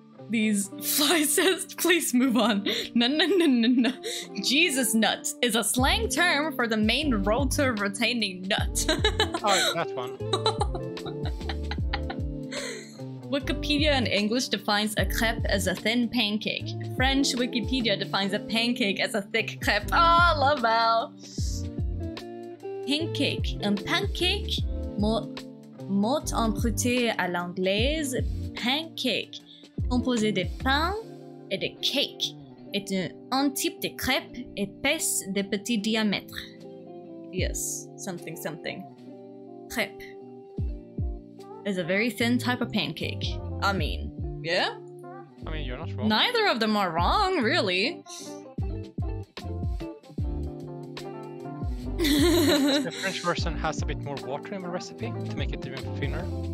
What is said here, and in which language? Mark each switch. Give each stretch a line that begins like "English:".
English: These fly says, please move on. No. Jesus nut is a slang term for the main road to retaining nut. Oh, that one. Wikipedia in English defines a crepe as a thin pancake. French Wikipedia defines a pancake as a thick crepe.
French: Oh, Laval. Pancake. Un pancake. Mot emprunté à l'anglaise. Pancake. Composé de pain et de cake. Est un type de crepe épaisse de petit diamètre.
English: Yes. Something, something. Crepe. Is a very thin type of pancake. I mean, yeah? I mean, you're not wrong. Neither of them are wrong, really. The French version has a bit more water in the recipe to make it even thinner.